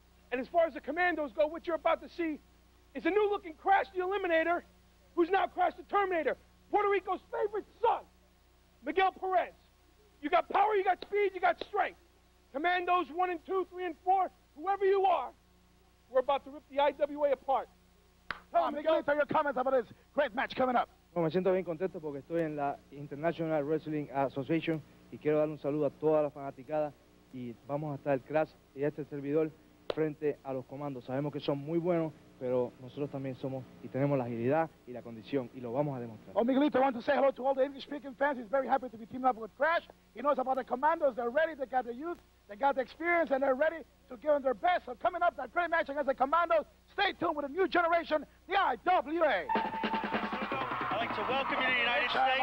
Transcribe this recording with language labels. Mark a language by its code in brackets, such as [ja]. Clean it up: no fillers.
[en] And as far as the Commandos go, what you're about to see is a new-looking Crash the Eliminator, who's now Crash the Terminator, Puerto Rico's favorite son, Miguel Perez. You got power, you got speed, you got strength. Commandos 1 and 2, 3 and 4, whoever you are, we're about to rip the IWA apart. Tell me, Miguel, your comments about this great match coming up. [es] Bueno, me siento bien contento porque estoy en la International Wrestling Association y quiero dar un saludo a toda la fanaticada y vamos a estar el Crash y este servidor frente a los Comandos. Sabemos que son muy buenos, pero nosotros también somos y tenemos la agilidad y la condición y lo vamos a demostrar. [en] Well, Miguelito, I want to say hello to all the English-speaking fans. He's very happy to be teaming up with Crash. He knows about the Commandos. They're ready. They got the youth. They got the experience, and they're ready to give them their best. So coming up, that great match against the Commandos. Stay tuned with a new generation, the IWA. I'd like to welcome you to the United States.